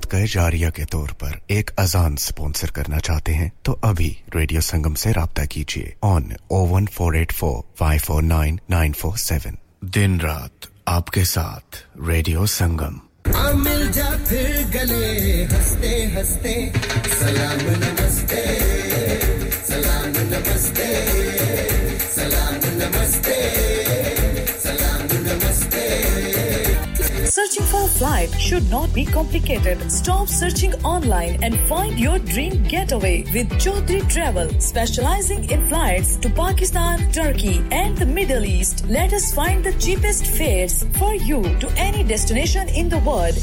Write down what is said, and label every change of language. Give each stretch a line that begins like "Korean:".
Urdu: جاریہ کے طور پر ایک اذان سپونسر کرنا چاہتے ہیں تو ابھی ریڈیو سنگم سے رابطہ کیجئے on 01484549947 دن رات آپ کے ساتھ ریڈیو سنگم آ مل جا پھر گلے ہستے ہستے سلام نمستے سلام نمستے سلام نمستے
English: Searching for a flight should not be complicated. Stop searching online and find your dream getaway with Chaudhry Travel, specializing in flights to Pakistan, Turkey, and the Middle East. Let us find the cheapest fares for you to any destination in the world.